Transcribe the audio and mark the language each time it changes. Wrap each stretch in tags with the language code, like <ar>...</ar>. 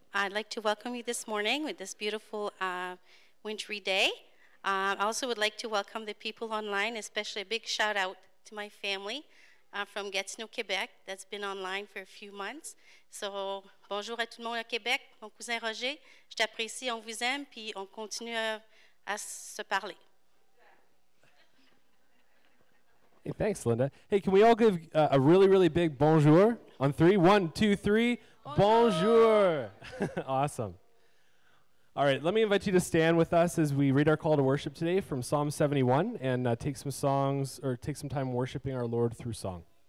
<en>I'd like to welcome you this morning with this beautiful wintry day. I also would like to welcome the people online, especially a big shout out to my family from Gatineau, Quebec, that's been online for a few months.</en> <fr>So, bonjour à tout le monde à Québec, mon cousin Roger. Je t'apprécie, on vous aime, puis on continue à se parler.</fr> <en>Hey, thanks, Linda. Hey, can we all give a really, really big bonjour on three? One, two, three. Bonjour. Awesome. All right, let me invite you to stand with us as we read our call to worship today from Psalm 71 and take some time worshiping our Lord through song.</en>